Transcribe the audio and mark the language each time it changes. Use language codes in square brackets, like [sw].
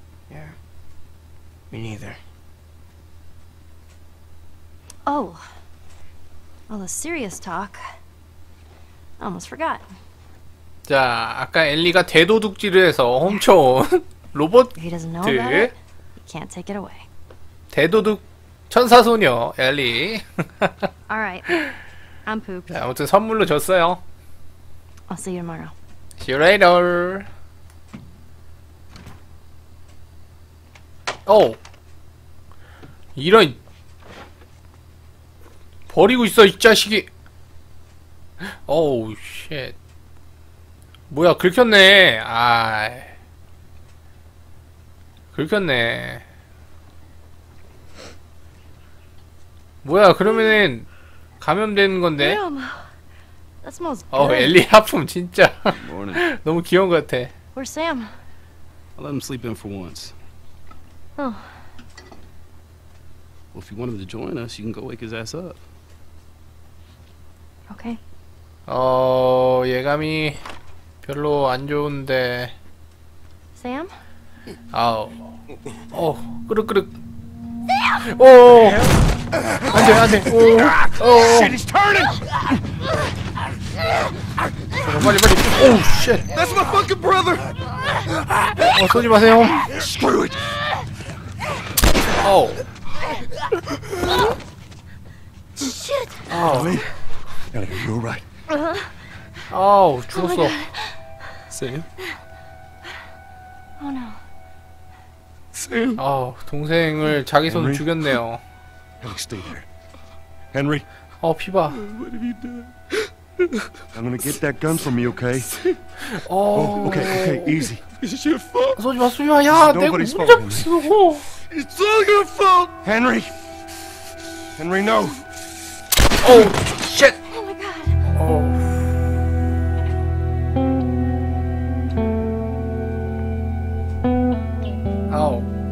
[en] Yeah. Me neither. Oh. Well, a serious talk. I almost forgot. [ko] 자, 아까 엘리가 대도둑질을 해서 훔쳐온 로봇. [en] He doesn't know about it. He can't take it away. [ko] 대도둑 천사 소녀 엘리. [en] All right. I'm pooped. [ko] 자, 아무튼 선물로 줬어요. [en] I'll see you tomorrow. See you later. [ko] 오, 이런 버리고 있어 이 자식이. 오, 쉣. 뭐야, 긁혔네. 아, 긁혔네. 뭐야, 그러면은 감염된 건데. 어, 엘리 하품 진짜. 너무 귀여운 것 같아. [en] Where's Sam? I let him sleep in for once. Oh. Well, if you want him to join us, you can go wake his ass up. Okay. [ko] 어, 예감이 별로 안 좋은데. [en] Sam? [ko] 아우. 어, 끄륵끄륵. [en] Sam! [ko] 오! 안 돼, 안 돼. 오! 오! [en] Shit, he's turning! [ko] 빨리 빨리. [en] Oh, shit. That's my fucking brother! [ko] 어, 쏘지 마세요. [en] Screw it! Oh. Shit. Oh, Ellie. Ellie, you're right. Oh, [ko] 죽었어. [en] Sam. Oh no. Sam. [ko] 아, 동생을 자기 손으로 죽였네요. [en] Ellie, stay here. Henry. [ko] 어, 피 봐. [en] What have you done? I'm gonna get that gun from you, okay? Oh. Okay, okay, easy. It's your fault. [ko] 쏘지 마, 쏘지 마, 야, 내가 운전 쓰고. [en] It's all your fault! Henry! Henry, no! Oh, shit! Oh my god! Oh. Ow.